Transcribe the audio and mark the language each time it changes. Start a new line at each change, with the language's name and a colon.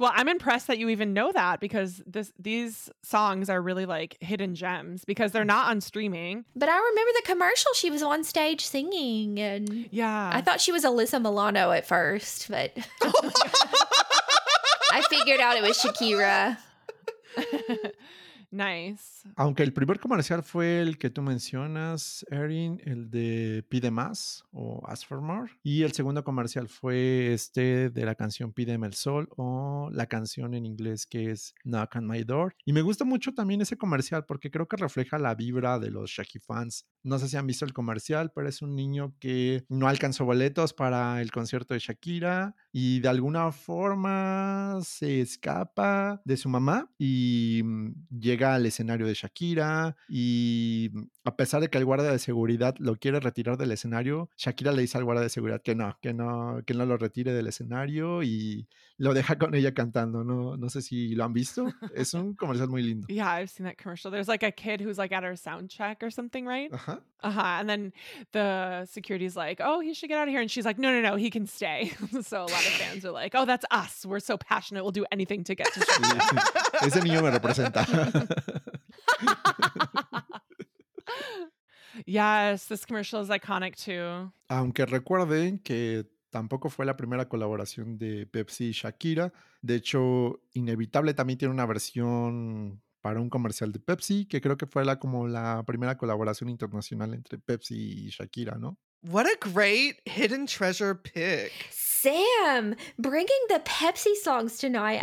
English: Well, I'm impressed that you even know that, because these songs are really like hidden gems because they're not on streaming. But I remember the commercial. She was on stage singing. And yeah. I thought she was Alyssa Milano at first, but I figured out it was Shakira. Nice.
Spanish: Aunque el primer comercial fue el que tú mencionas, Erin, el de Pide Más o Ask for More. Y el segundo comercial fue este de la canción Pídeme el Sol o la canción en inglés que es Knock on My Door. Y me gusta mucho también ese comercial porque creo que refleja la vibra de los Shaggy fans. No sé si han visto el comercial, pero es un niño que no alcanzó boletos para el concierto de Shakira y de alguna forma se escapa de su mamá y llega al escenario de Shakira, y a pesar de que el guardia de seguridad lo quiere retirar del escenario, Shakira le dice al guardia de seguridad que no lo retire del escenario y lo deja con ella cantando. No, no sé si lo han visto. Es un comercial muy lindo.
English: Yeah, I've seen that commercial. There's like a kid who's like at her sound check or something, right? Uh-huh. Uh-huh. And then the security's like, oh, he should get out of here. And she's like, no, he can stay. So a lot of fans are like, oh, that's us. We're so passionate. We'll do anything to get to Shakira.
Spanish: Ese niño me representa.
English: Yes, this commercial is iconic too.
Spanish: Aunque recuerden que tampoco fue la primera colaboración de Pepsi y Shakira. De hecho, Inevitable también tiene una versión para un comercial de Pepsi, que creo que fue como la primera colaboración internacional entre Pepsi y Shakira, ¿no?
English: What a great hidden treasure pick. Sam, bringing the Pepsi songs tonight.